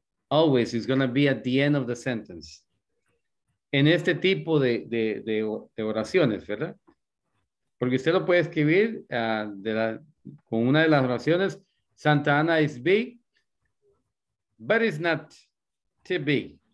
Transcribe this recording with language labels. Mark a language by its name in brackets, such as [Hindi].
[English] Always is going to be at the end of the sentence. [Spanish] En este tipo de oraciones, ¿verdad? Porque usted lo puede escribir con una de las oraciones. [English] Santa Ana is big, but it's not too big.